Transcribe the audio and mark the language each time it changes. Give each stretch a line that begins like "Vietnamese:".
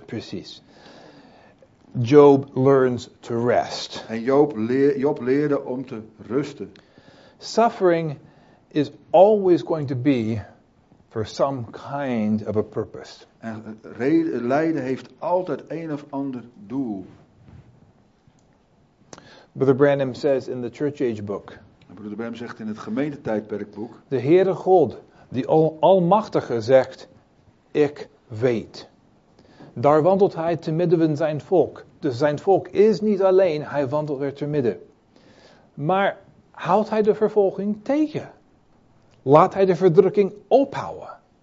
Dutch: Precies.
English: Job learns to rest.
Dutch: En Job leerde om te rusten.
English: Suffering is always going to be for some kind of a purpose.
Dutch: En lijden heeft altijd een of ander doel.
English: Brother Branham says in the Church Age book.
Dutch: Brother Branham zegt in het gemeentetijdperkboek. De Heere God, die Almachtige, zegt, ik weet. Daar wandelt hij te midden van zijn volk. Dus zijn volk is niet alleen, hij wandelt er te midden. Maar houdt hij de vervolging tegen? Laat hij de verdrukking ophouden?